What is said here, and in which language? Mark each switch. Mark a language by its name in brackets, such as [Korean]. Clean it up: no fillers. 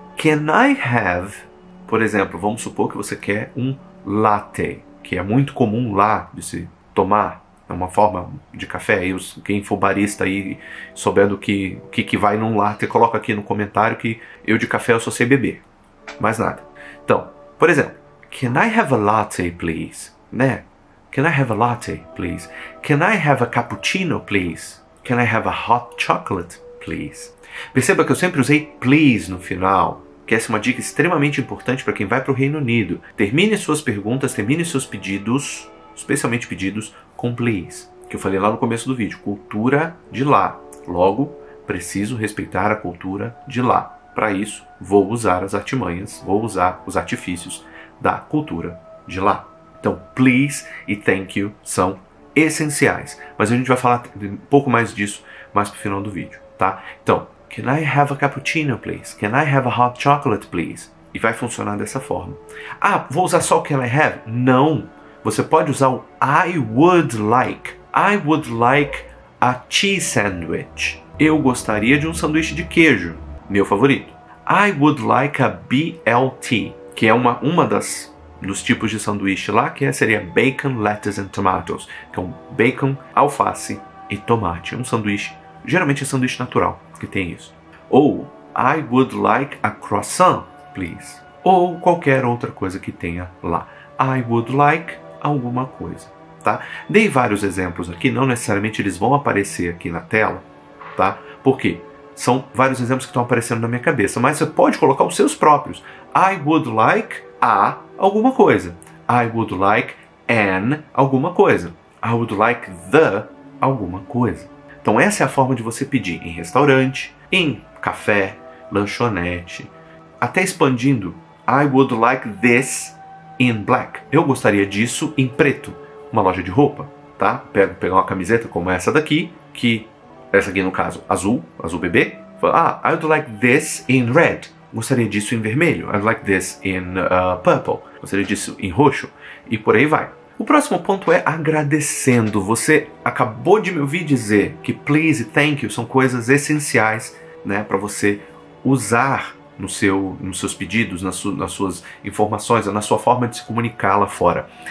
[English] Can I have, [Portuguese] por exemplo, vamos supor que você quer um latte, que é muito comum lá de se tomar, é uma forma de café, e quem for barista aí, soubendo que vai num latte, coloca aqui no comentário que eu de café eu só sei beber, mais nada. Então, por exemplo, [English] can I have a latte, please, [Portuguese] né? [English] Can I have a latte, please? Can I have a cappuccino, please? Can I have a hot chocolate, please? [Portuguese] Perceba que eu sempre usei please no final, que essa é uma dica extremamente importante para quem vai para o Reino Unido. Termine suas perguntas, termine seus pedidos, especialmente pedidos, com please, que eu falei lá no começo do vídeo, cultura de lá. Logo, preciso respeitar a cultura de lá. Para isso, vou usar as artimanhas, vou usar os artifícios da cultura de lá. Então, please e thank you são essenciais. Mas a gente vai falar um pouco mais disso mais pro final do vídeo, tá? [English] Então, can I have a cappuccino, please? Can I have a hot chocolate, please? [Portuguese] E vai funcionar dessa forma. Ah, vou usar só o [English] can I have? [Portuguese] Não. Você pode usar o [English] I would like. I would like a cheese sandwich. [Portuguese] Eu gostaria de um sanduíche de queijo. Meu favorito. [English] I would like a BLT. [Portuguese] Que é uma das nos tipos de sanduíche lá, que seria [English] bacon, lettuce and tomatoes, [Portuguese] que é um bacon, alface e tomate. Um sanduíche, geralmente é sanduíche natural que tem isso. [English] Ou, I would like a croissant, please. [Portuguese] Ou qualquer outra coisa que tenha lá. [English] I would like [Portuguese] alguma coisa, tá? Dei vários exemplos aqui, não necessariamente eles vão aparecer aqui na tela, tá? Por quê? São vários exemplos que estão aparecendo na minha cabeça, mas você pode colocar os seus próprios. [English] I would like a [Portuguese] alguma coisa. [English] I would like an alguma coisa. I would like the [Portuguese] alguma coisa. Então essa é a forma de você pedir em restaurante, em café, lanchonete, até expandindo. [English] I would like this in black. [Portuguese] Eu gostaria disso em preto. Uma loja de roupa, tá? Pegar uma camiseta como essa daqui, que... Essa aqui, no caso, azul, azul bebê. [English] Ah, I would like this in red. [Portuguese] Gostaria disso em vermelho. [English] I'd like this in purple. [Portuguese] Gostaria disso em roxo. E por aí vai. O próximo ponto é agradecendo. Você acabou de me ouvir dizer que please e thank you são coisas essenciais, né, para você usar no seu, nos seus pedidos, nas suas informações, na sua forma de se comunicar lá fora.